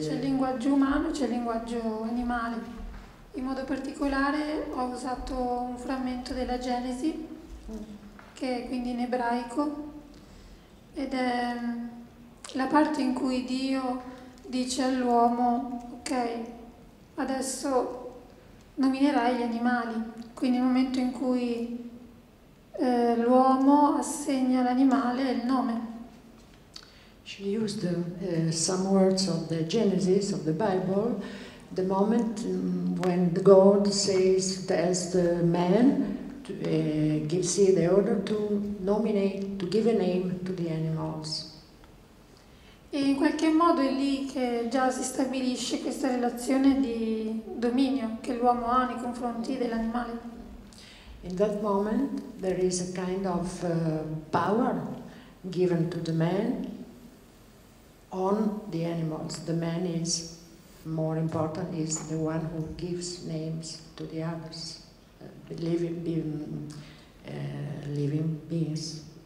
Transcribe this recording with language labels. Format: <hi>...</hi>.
<it>Sì, c'è il linguaggio umano, c'è il linguaggio animale. In modo particolare ho usato un frammento della Genesi, che è quindi in ebraico, ed è la parte in cui Dio dice all'uomo: ok, adesso dominerai gli animali. Quindi il momento in cui l'uomo assegna all'animale il nome.</it> <en>She used some words of the Genesis of the Bible, the moment when God says, tells the man to see the order to nominate, to give a name to the animals.</en> <it>E in qualche modo è lì che già si stabilisce questa relazione di dominio che l'uomo ha nei confronti dell'animale.</it> <en>In that moment there is a kind of power given to the man on the animals. The man is more important, is the one who gives names to the others, living beings.</en>